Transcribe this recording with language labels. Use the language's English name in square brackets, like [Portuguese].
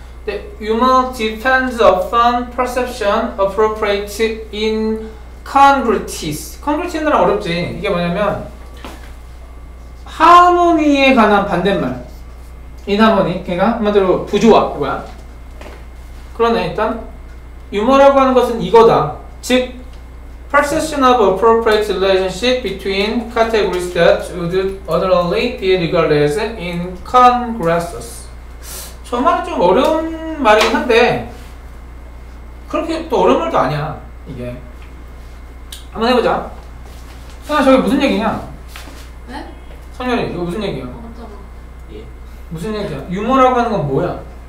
[English] 근데 humor depends upon perception appropriate in congruities. [Korean] Congruities 는 어렵지. 이게 뭐냐면 하모니에 관한 반대말. 인하모니. 그러니까 한마디로 부조화. 뭐야? 그러네. 일단 유머라고 하는 것은 이거다. [English] 즉 perception of appropriate relationship between categories that would otherly be regarded as incongruous. [Korean] 저 말은 좀 어려운 말이긴 한데 그렇게 또 어려운 말도 아니야. 이게 한번 해보자. 선현아, 저게 무슨 얘기냐? 네? 선현이, 이거 무슨 얘기야? 잠깐만. 예. 무슨 얘기야? 유머라고 하는 건 뭐야?